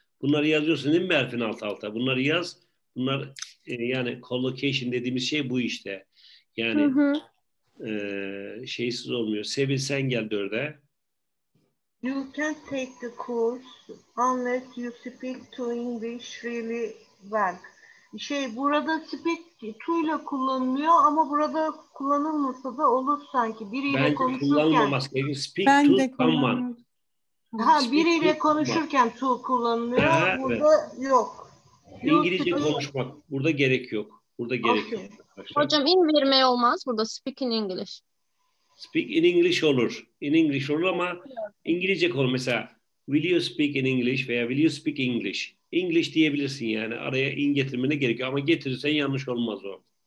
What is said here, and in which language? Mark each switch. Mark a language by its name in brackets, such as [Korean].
[Turkish] Bunları yazıyorsun değil mi Berfin alt alta? Bunları yaz. Bunlar yani collocation dediğimiz şey bu işte. Yani şeysiz olmuyor. Sevil sen gel dörde. [English] You can take the course unless you speak to English really well. [Turkish] Şey burada speak to ile kullanılıyor ama burada kullanılmasa da olur sanki. Biriyle bence konuşurken. Bence kullanılmaması gerekiyor. Speak ben to someone. Ha, biriyle konuşurken to kullanılıyor. Ha, burada yok. İngilizce konuşmak. Burada gerek yok. Burada gerek yok. Hocam in vermeye olmaz. Burada [English] speak in English. Speak in English [Turkish] olur. [English] In English [Turkish] olur ama İngilizce konu. Mesela [English] will you speak in English [Turkish] veya [English] will you speak English? [Turkish] English diyebilirsin yani. Araya in getirmene gerek yok. Ama getirirsen yanlış olmaz o.